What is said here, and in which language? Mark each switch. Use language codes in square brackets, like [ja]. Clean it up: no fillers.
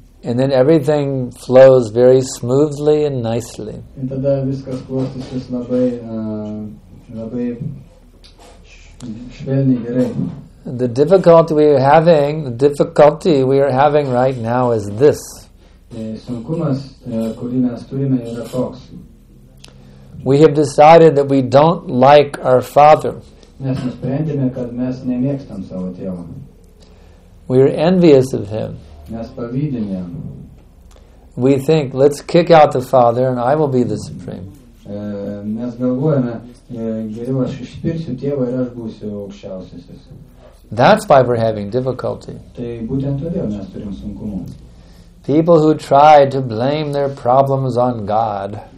[en] And then everything flows very smoothly and nicely. [lt] Ir tada viskas klostysis labai labai švelniai gerai. [en] The difficulty we are having right now is this. [lt] Sunkumas, kurį mes turime, yra toks. [en] We have decided that we don't like our father. [lt] Mes nusprendėme, kad mes nemėgstam savo tėvą. [en] We are envious of him. [lt] Mes pavydim jam. [en] We think, let's kick out the father and I will be the supreme. [lt] Mes galvojame, geriau aš išspirsiu tėvą ir aš būsiu aukščiausiasis. [en] That's why we're having difficulty. [lt] Tai būtent todėl mes turim sunkumų. [en] People who try to blame their problems on God.